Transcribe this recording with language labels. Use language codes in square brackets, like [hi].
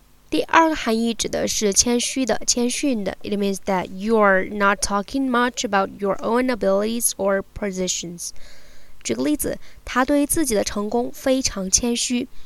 [zh] 第二个含义指的是谦虚的、谦逊的。 [en] It means that you're not talking much about your own abilities or positions. [zh] 举个例子，她对自己的成功非常谦虚。